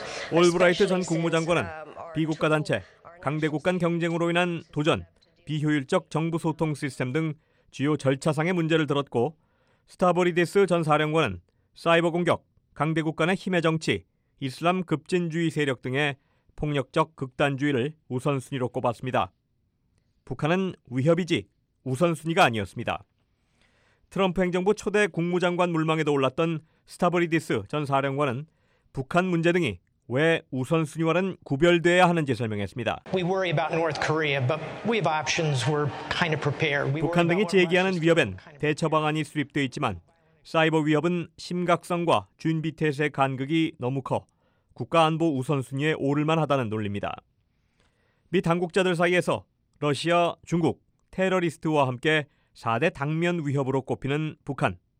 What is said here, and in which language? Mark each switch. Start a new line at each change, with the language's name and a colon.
Korean: 올브라이트 전 국무장관은 비국가 단체, 강대국 간 경쟁으로 인한 도전, 비효율적 정부 소통 시스템 등 주요 절차상의 문제를 들었고 스타버리디스 전 사령관은 사이버 공격, 강대국 간의 힘의 정치, 이슬람 급진주의 세력 등의 폭력적 극단주의를 우선순위로 꼽았습니다. 북한은 위협이지 우선순위가 아니었습니다. 트럼프 행정부 초대 국무장관 물망에도 올랐던 스타브리디스 전 사령관은 북한 문제 등이 왜 우선순위와는 구별돼야 하는지 설명했습니다.
English: We worry about North Korea, but we have options. We're kind of prepared.
Korean: 북한 등이 제기하는 위협엔 대처 방안이 수립돼 있지만 사이버 위협은 심각성과 준비태세 간극이 너무 커 국가안보 우선순위에 오를만 하다는 논리입니다. 미 당국자들 사이에서 러시아, 중국, 테러리스트와 함께 4대 당면 위협으로 꼽히는 북한.